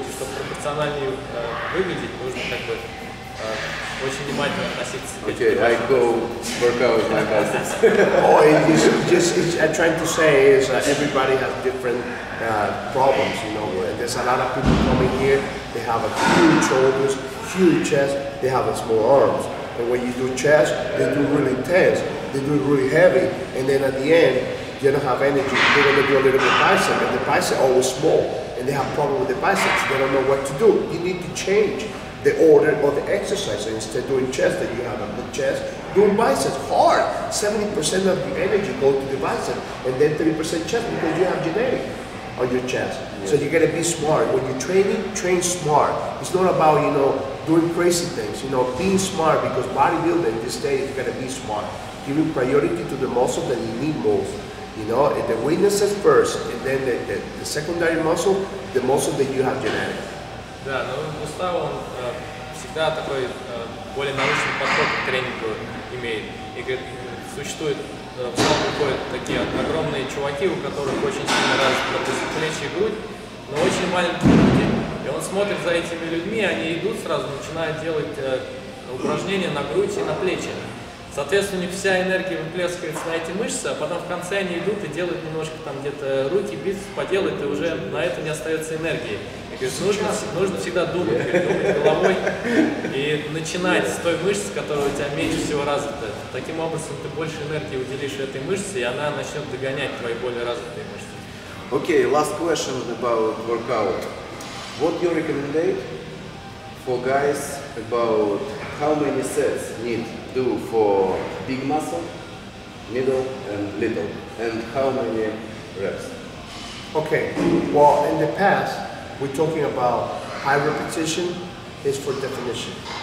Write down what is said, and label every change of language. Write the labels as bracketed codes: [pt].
[ru] И чтобы пропорционально выглядеть, нужно как бы очень внимательно относиться к этому. [en] Okay, I go work out with my biceps. Oh, I'm trying to say is that everybody has different problems, you know. There's a lot of people coming here, they have a huge shoulders, huge chest, they have a small arms. And when you do chest, they do really intense, they do really heavy, and then at the end, you don't have energy, they're gonna do a little bit of bicep, and the bicep are always small, and they have problems with the biceps, they don't know what to do. You need to change the order of the exercise. So instead of doing chest, that you have a good chest, doing biceps hard. 70% of the energy go to the bicep, and then 30% chest, because you have genetic on your chest. Yeah. So you gotta be smart. When you're training, train smart. It's not about, you know, doing crazy things, you know, being smart, because bodybuilding this day is gonna be smart. Giving priority to the muscle that you need most. You know, and the weaknesses first, and then the secondary muscle, the muscle that you have genetic. [ru] Да, но Густаво, всегда такой более научный подход к тренингу имеет. И говорит, существует в зал приходят такие огромные чуваки, у которых очень сильно развиты плечи и грудь, но очень маленькие руки. И он смотрит за этими людьми, они идут сразу, начинают делать упражнения на грудь и на плечи. Соответственно, вся энергия выплескивается на эти мышцы, а потом в конце они идут и делают немножко там где-то руки, бицепс поделают, и уже на это не остается энергии. И говорит, нужно всегда думать головой и начинать с той мышцы, которая у тебя меньше всего развита. Таким образом, ты больше энергии уделишь этой мышце, и она начнет догонять твои более развитые мышцы. [en] Okay, last question about workout. What do you recommend for guys about how many sets need do for big muscle, middle, and little, and how many reps? Okay, well, in the past, we're talking about high repetition is for definition.